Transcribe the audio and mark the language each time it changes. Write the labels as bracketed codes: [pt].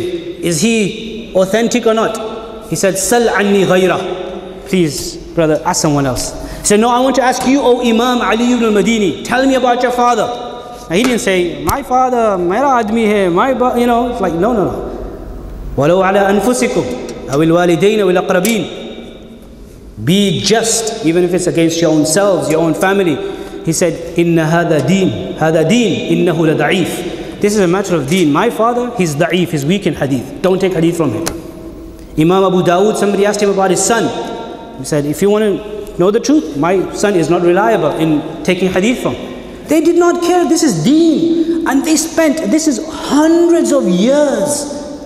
[en] Is he authentic or not? He said, [ar] sal anni ghayra. [en] Please, brother, ask someone else. He said, no, I want to ask you, oh Imam Ali ibn al-Madini, tell me about your father. And he didn't say, my father, [ur] mera admi hai, [en] my, you know, it's like, no. [ar] ولو على أنفسكم أو الوالدين أو الأقربين. [en] Be just, even if it's against your own selves, your own family. He said, [ar] إِنَّ هَذَا دِينَ هَذَا دِينَ إِنَّهُ لَدَعِيفٌ. [en] This is a matter of deen. My father, he's da'if, he's weak in hadith. Don't take hadith from him. Imam Abu Dawood, somebody asked him about his son. He said, if you want to know the truth, my son is not reliable in taking hadith from. They did not care, this is deen. And they spent, this is hundreds of years.